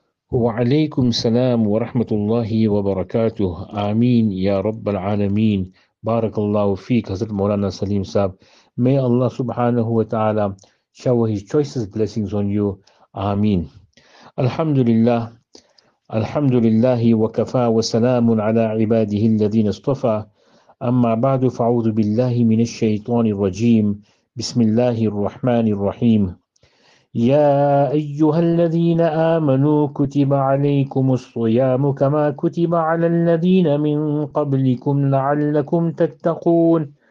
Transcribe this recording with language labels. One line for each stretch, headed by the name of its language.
Arabic: وعليكم السلام ورحمة الله وبركاته. آمين يا رب العالمين. بارك الله فيك حضرت مولانا سليم صاحب.
English: May Allah subhanahu wa ta'ala shower his choicest blessings on you.
Arabic: آمين. الحمد لله. الحمد لله وكفى وسلام على عباده الذين اصطفى. أما بعد، فأعوذ بالله من الشيطان الرجيم. بسم الله الرحمن الرحيم. يا أيها الذين آمنوا كتب عليكم الصيام كما كتب على الذين من قبلكم لعلكم تتقون.